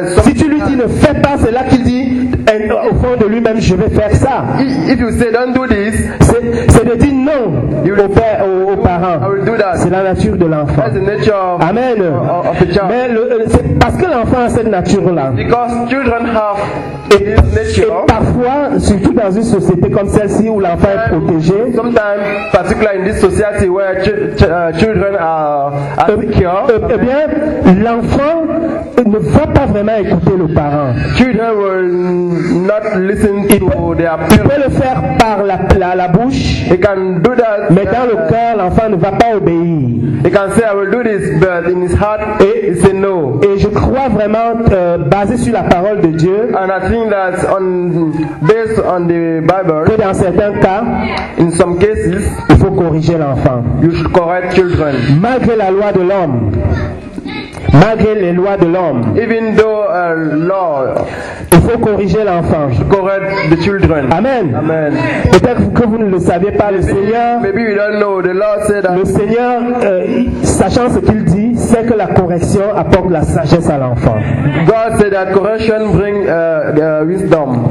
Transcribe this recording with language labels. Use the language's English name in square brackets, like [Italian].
[French] si tu lui dis ne fais pas, c'est là qu'il dit. Et au fond de lui-même, je vais faire ça. [English] If you say, don't do this, [French] c'est de dire non au père, aux parents. [English] I will do that. [French] C'est la nature de l'enfant. [English] That's the nature of, amen. Of the child. [French] Mais c'est parce que l'enfant a cette nature-là. [English] Because children have this nature. [French] Et parfois, surtout dans une société comme celle-ci où l'enfant est protégé, [English] sometimes, particularly in this society where children are secure, [French] eh bien, l'enfant ne va pas vraiment écouter le parent. [English] Children will not listen to their parents. [French] Il peut le faire par la bouche. [English] He can do that, [French] mais dans le cœur, l'enfant ne va pas obéir. [English] He can say, I will do this, but in his heart, he say no. [French] Et je crois vraiment, basé sur la parole de Dieu, [English] and I think that based on the Bible, [French] que dans certains cas, [English] in some cases, [French] il faut corriger l'enfant. [English] You should correct children. [French] Malgré la loi de l'homme. Malgré les lois de l'homme, [English] even though, law, [French] il faut corriger l'enfant. [English] Correct the children. Amen. Amen. [French] Peut-être que vous ne le saviez pas, le Seigneur. [English] Maybe you don't know. The law said that. [French] Le Seigneur, sachant ce qu'il dit, sait que la correction apporte la sagesse à l'enfant. [English] God said that correction bring the wisdom.